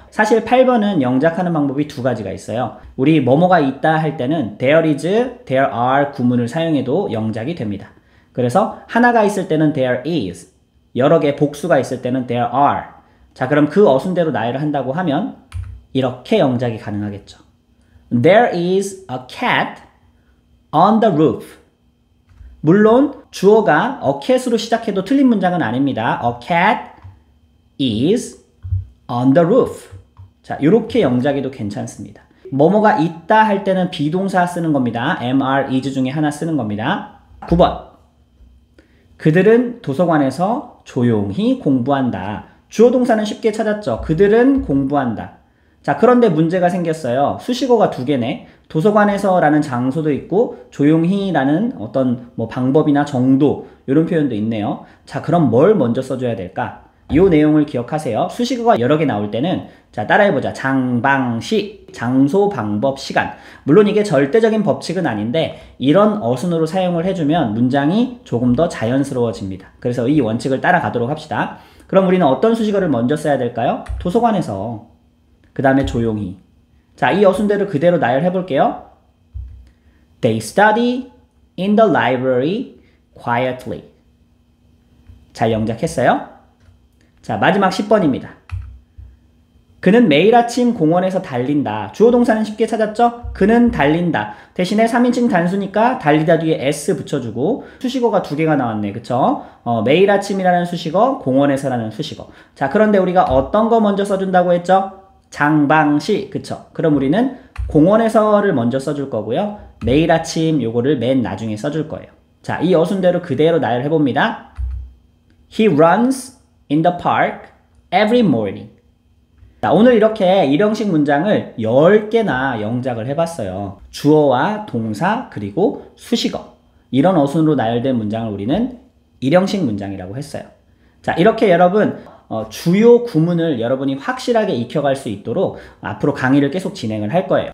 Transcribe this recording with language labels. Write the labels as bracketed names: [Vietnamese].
[Korean] 사실 8번은 영작하는 방법이 두 가지가 있어요. 우리 뭐뭐가 있다 할 때는 [English] there is, there are [Korean] 구문을 사용해도 영작이 됩니다. 그래서 하나가 있을 때는 there is, 여러 개 복수가 있을 때는 there are. 자, 그럼 그 어순대로 나열을 한다고 하면 이렇게 영작이 가능하겠죠. [English] There is a cat on the roof. [Korean] 물론 주어가 a cat으로 시작해도 틀린 문장은 아닙니다. [English] A cat is on the roof. [Korean] 자, 이렇게 영작에도 괜찮습니다. 뭐뭐가 있다 할 때는 비동사 쓰는 겁니다. am, are, is 중에 하나 쓰는 겁니다. 9번. 그들은 도서관에서 조용히 공부한다. 주어 동사는 쉽게 찾았죠. 그들은 공부한다. 자, 그런데 문제가 생겼어요. 수식어가 두 개네. 도서관에서라는 장소도 있고 조용히라는 어떤 뭐 방법이나 정도 이런 표현도 있네요. 자, 그럼 뭘 먼저 써줘야 될까? 이 내용을 기억하세요. 수식어가 여러 개 나올 때는 자, 따라해보자. 장방시, 장소, 방법, 시간. 물론 이게 절대적인 법칙은 아닌데 이런 어순으로 사용을 해주면 문장이 조금 더 자연스러워집니다. 그래서 이 원칙을 따라가도록 합시다. 그럼 우리는 어떤 수식어를 먼저 써야 될까요? 도서관에서, 그 다음에 조용히. 자, 이 어순대로 그대로 나열해 볼게요. [English] They study in the library quietly. [Korean] 잘 영작했어요? 자, 마지막 10번입니다. 그는 매일 아침 공원에서 달린다. 주어 동사는 쉽게 찾았죠? 그는 달린다. 대신에 3인칭 단수니까 달리다 뒤에 s 붙여주고 수식어가 두 개가 나왔네. 그쵸? 매일 아침이라는 수식어, 공원에서라는 수식어. 자, 그런데 우리가 어떤 거 먼저 써준다고 했죠? 장방시, 그쵸? 그럼 우리는 공원에서를 먼저 써줄 거고요. 매일 아침 요거를 맨 나중에 써줄 거예요. 자, 이 어순대로 그대로 나열해 봅니다. [English] He runs in the park every morning. [Korean] 자, 오늘 이렇게 일형식 문장을 10개나 영작을 해봤어요. 주어와 동사 그리고 수식어, 이런 어순으로 나열된 문장을 우리는 일형식 문장이라고 했어요. 자, 이렇게 여러분 주요 구문을 여러분이 확실하게 익혀갈 수 있도록 앞으로 강의를 계속 진행을 할 거예요.